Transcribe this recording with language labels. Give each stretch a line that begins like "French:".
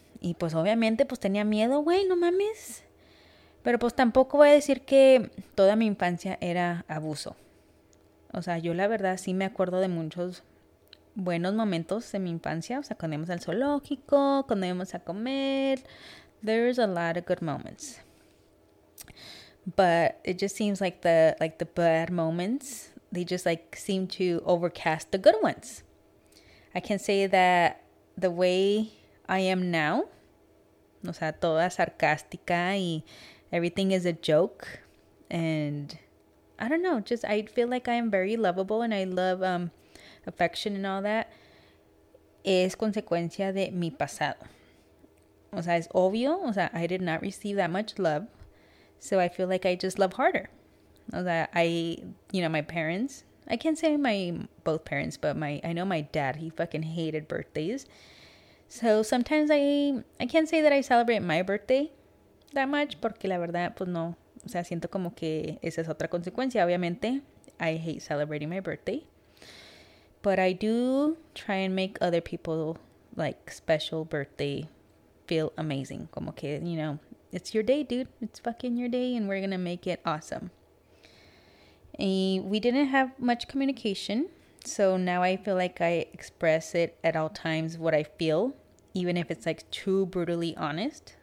Spanish: Y pues obviamente pues tenía miedo, güey, no mames. Pero pues tampoco voy a decir que toda mi infancia era abuso. O sea, yo la verdad sí me acuerdo de muchos buenos momentos en mi infancia, o sea, cuando íbamos al zoológico, cuando íbamos a comer.
English: There's a lot of good moments. But it just seems like the bad moments, they just like seem to overcast the good ones. I can say that the way I am now,
Spanish: o sea, toda sarcástica y
English: everything is a joke, And I don't know, just I feel like I am very lovable and I love affection and all that.
Spanish: Es consecuencia de mi pasado. O sea, es obvio. O sea,
English: I did not receive that much love. So I feel like I just love harder.
Spanish: O sea,
English: my parents, I can't say my both parents, but I know my dad, he fucking hated birthdays. So sometimes I can't say that I celebrate my birthday that much,
Spanish: porque la verdad, pues no. O sea, siento como que esa es otra consecuencia.
English: Obviamente, I hate celebrating my birthday. But I do try and make other people, like, special birthday feel amazing.
Spanish: Como que,
English: you know, it's your day, dude. It's fucking your day, and we're gonna make it awesome. And we didn't have much communication. So now I feel like I express it at all times what I feel, even if it's, like, too brutally honest.